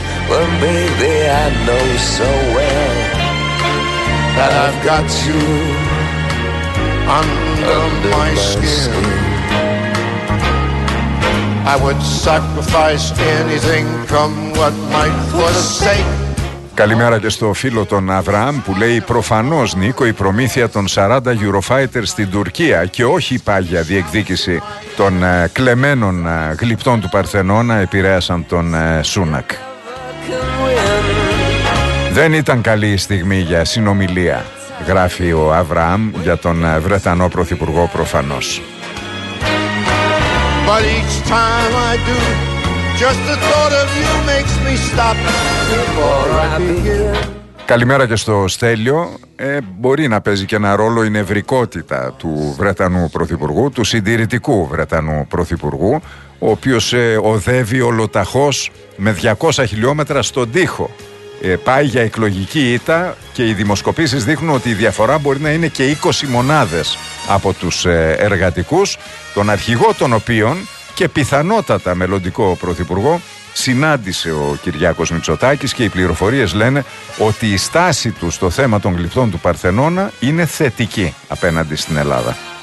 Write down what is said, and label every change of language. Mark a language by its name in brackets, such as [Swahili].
[English] Well, baby, I know so well that I've got you under my skin. I would sacrifice anything, come what might, for the sake. [Greek] Καλημέρα και στο φίλο τον Αβραάμ που λέει: προφανώς, Νίκο, η προμήθεια των 40 Eurofighter στην Τουρκία και όχι η πάγια διεκδίκηση των κλεμμένων γλυπτών του Παρθενώνα επηρέασαν τον Σούνακ. Δεν ήταν καλή στιγμή για συνομιλία, γράφει ο Αβραάμ για τον Βρετανό Πρωθυπουργό προφανώς. [English] But each time I do, just the thought of you makes me stop. [Greek] Καλημέρα και στο Στέλιο. Μπορεί να παίζει και ένα ρόλο η νευρικότητα του Βρετανού Πρωθυπουργού, του συντηρητικού Βρετανού Πρωθυπουργού, ο οποίος οδεύει ολοταχώς με 200 χιλιόμετρα στον τοίχο. Πάει για εκλογική ήττα και οι δημοσκοπήσεις δείχνουν ότι η διαφορά μπορεί να είναι και 20 μονάδες από τους εργατικούς, τον αρχηγό των οποίων και πιθανότατα μελλοντικό πρωθυπουργό συνάντησε ο Κυριάκος Μητσοτάκης, και οι πληροφορίες λένε ότι η στάση του στο θέμα των γλυπτών του Παρθενώνα είναι θετική απέναντι στην Ελλάδα.